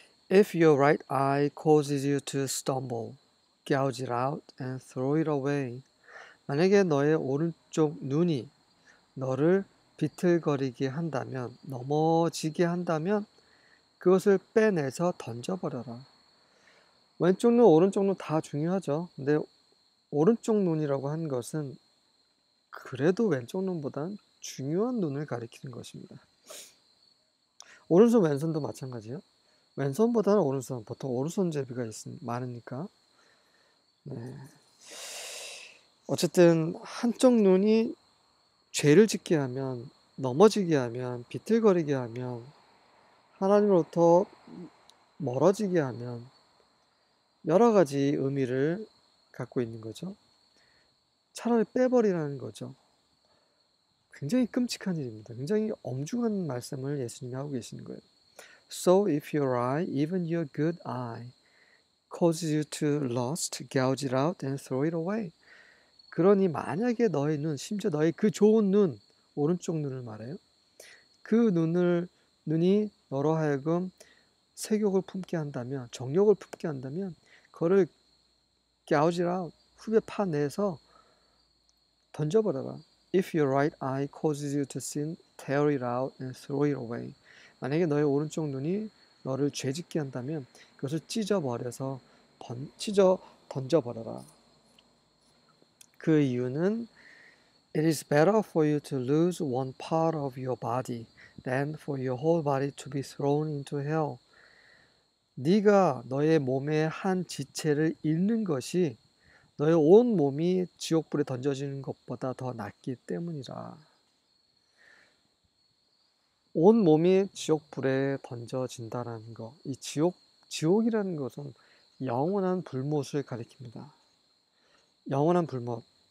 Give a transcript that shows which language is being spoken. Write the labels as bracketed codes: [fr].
[en] If your right eye causes you to stumble, gouge it out and throw it away. [ko] 만약에 너의 오른쪽 눈이 너를 비틀거리게 한다면, 넘어지게 한다면, 그것을 빼내서 던져버려라. 왼쪽 눈, 오른쪽 눈다 중요하죠. 근데 오른쪽 눈이라고 한 것은 그래도 왼쪽 눈보단 중요한 눈을 가리키는 것입니다. 오른손, 왼손도 마찬가지요. 왼손보다는 오른손, 보통 오른손 제비가 많으니까. 네. 어쨌든 한쪽 눈이 죄를 짓게 하면, 넘어지게 하면, 비틀거리게 하면, 하나님으로부터 멀어지게 하면 여러 가지 의미를 갖고 있는 거죠. 차라리 빼버리라는 거죠. 굉장히 끔찍한 일입니다. 굉장히 엄중한 말씀을 예수님이 하고 계시는 거예요. [en] So if your eye, even your good eye, causes you to lust, gouge it out and throw it away. [ko] 그러니 만약에 너의 눈, 심지어 너의 그 좋은 눈, 오른쪽 눈을 말해요. 그 눈이 너로 하여금 색욕을 품게 한다면, 정욕을 품게 한다면, 그거를 [en] gouge it out, [ko] 후벼 파내서 던져버려라. [en] If your right eye causes you to sin, tear it out and throw it away. [ko] 만약에 너의 오른쪽 눈이 너를 죄짓게 한다면 그것을 찢어버려서 던져버려라. 그 이유는 [en] It is better for you to lose one part of your body than for your whole body to be thrown into hell. [ko] 네가 너의 몸의 한 지체를 잃는 것이 너의 온 몸이 지옥불에 던져지는 것보다 더 낫기 때문이라. 온 몸이 지옥불에 던져진다라는 것, 이 지옥이라는 것은 영원한 불못을 가리킵니다. 영원한 불못.